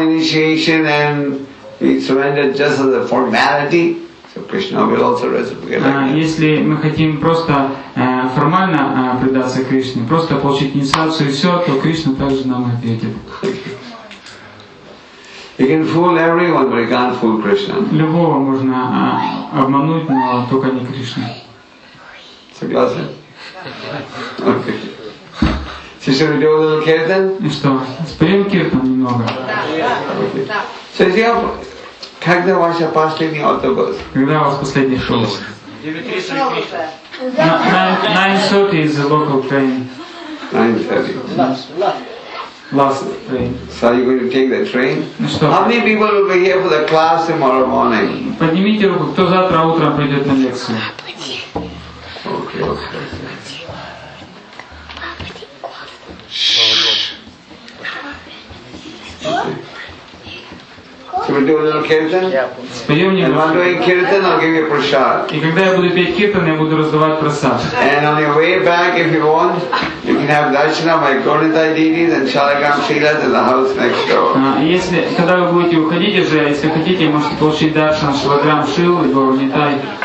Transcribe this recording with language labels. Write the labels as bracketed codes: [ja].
[en] initiation and be surrendered just as a formality. So Krishna will also respect like that. [ru] Если мы хотим просто формально предаться Кришне, просто получить инициацию и все, то Кришна также нам ответит. [en] You can fool everyone, but you can't fool Krishna. [ru] Любого можно обмануть, но только не Кришну. [en] Согласен? Okay. So should we do a little kirtan? [ru] И что? Споем киртан немного. Да. Okay. [en] So [ru] когда ваш последний автобус? Когда у вас последний шоу? [en] 9:30 is the local train. 9:30. Last train. So are you going to take the train? [ru] Ну что? [en] How many people will be here for the class tomorrow morning? [ru] Поднимите руку, кто завтра утром придет на лекцию. [en] Okay, okay. Shh. we do a little kirtan? [ru] Споем немного. [en] And while doing kirtan, I'll give you prasad. [ru] И когда я буду петь киртан, я буду раздавать прасад. [en] And on your way back, if you want, you can have darshana by Gaurantai Didis and Shalagram Shilas in the house next door. [ru] Если когда вы будете уходить уже, если хотите, можете получить даршан Шалаграм Шил и Гаурантай.